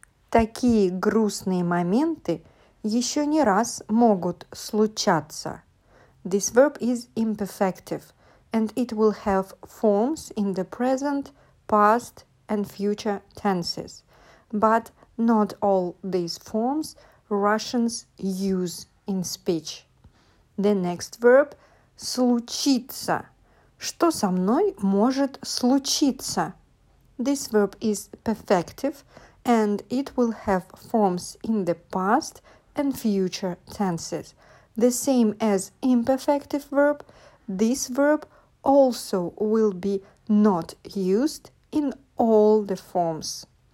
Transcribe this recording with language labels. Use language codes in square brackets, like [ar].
[ru] Такие грустные моменты еще не раз могут случаться. [en] This verb is imperfective and it will have forms in the present, past, and future tenses. But not all these forms Russians use in speech. The next verb – случиться. [ru] Что со мной может случиться? [en] This verb is perfective, and it will have forms in the past and future tenses. The same as imperfective verb, this verb also will be not used in all the forms.